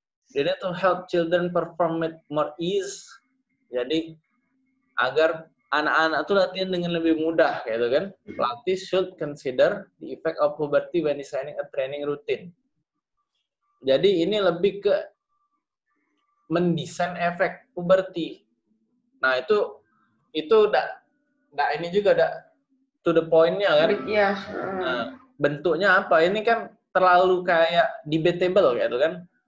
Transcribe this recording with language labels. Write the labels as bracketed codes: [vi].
[en] They need to help children perform with more ease. [id] Jadi agar anak-anak tuh latihan dengan lebih mudah, gitu kan? [en] Pelatih should consider the effect of puberty when designing a training routine. [id] Jadi ini lebih ke mendesain efek puberty. Nah itu enggak ini juga enggak to the point-nya kan? Iya. Yeah. Nah, bentuknya apa? Ini kan terlalu kayak debatable, gitu kan?